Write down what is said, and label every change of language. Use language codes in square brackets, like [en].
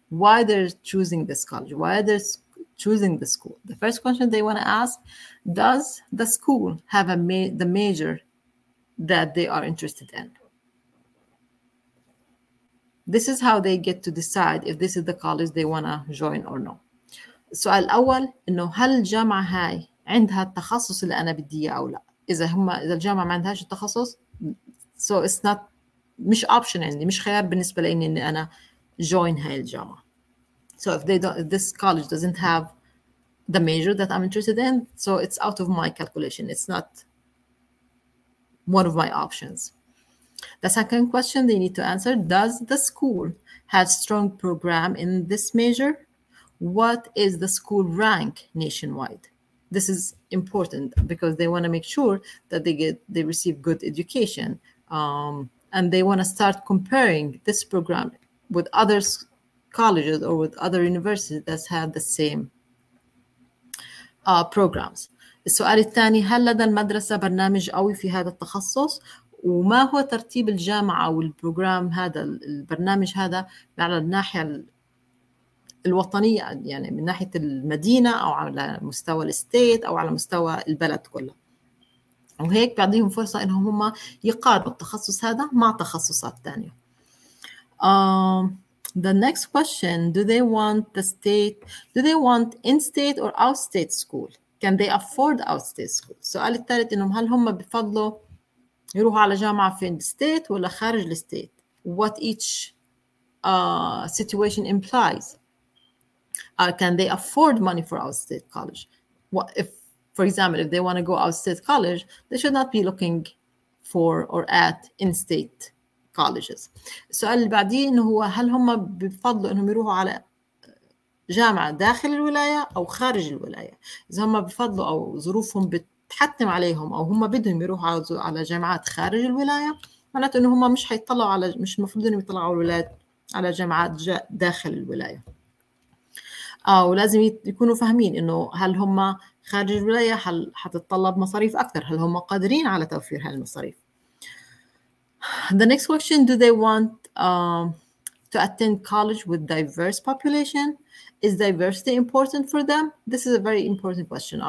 [en] Why they're choosing this college? Why they're choosing the school? The first question they want to ask, does the school have the major that they are interested in? This is how they get to decide if this is the college they want to join or not. [ar] السؤال الأول إنه هل الجامعة هاي عندها التخصص اللي أنا بدي إياه أو لا؟ إذا الجامعة ما عندهاش التخصص، [en] so it's not [ar] مش option عندي، مش خيار بالنسبة لإني إني أنا join هاي الجامعة. [en] So if this college doesn't have the major that I'm interested in, so it's out of my calculation. It's not one of my options. The second question they need to answer, does the school have strong program in this major? What is the school rank nationwide? This is important because they want to make sure that they receive good education. And they want to start comparing this program with other colleges or with other universities that's had the same programs. [ar] السؤال الثاني، هل لدى المدرسة برنامج قوي في هذا التخصص؟ وما هو ترتيب الجامعة والبروغرام هذا البرنامج هذا على الناحية الوطنية، يعني من ناحية المدينة أو على مستوى الستيت أو على مستوى البلد كله؟ وهيك بعطيهم فرصة إنهم هم يقاربوا التخصص هذا مع تخصصات تانية. [en] The next question, do they want in-state or out-state school? Can they afford out-state school? [ar] السؤال الثالث، إنهم هل هم بفضلوا يروحوا على جامعة في الستيت ولا خارج الستيت؟ [en] What each situation implies. Can they afford money for out-state college? What if, for example, if they want to go out-state college, they should not be looking for or at in-state colleges. [ar] السؤال اللي بعدين هو هل هم بفضلوا انهم يروحوا على جامعة داخل الولاية او خارج الولاية؟ اذا هم بفضلوا او ظروفهم بتحتم عليهم او هم بدهم يروحوا على جامعات خارج الولاية، معناته انه هم مش حيطلعوا على، مش المفروض انهم يطلعوا الولاد على جامعات داخل الولاية. ولازم يكونوا فاهمين انه هل هم خارج الولاية هل حتتطلب مصاريف اكثر، هل هم قادرين على توفير هالمصاريف. [en] The next question, do they want to attend college with diverse population? Is diversity important for them? This is a very important question.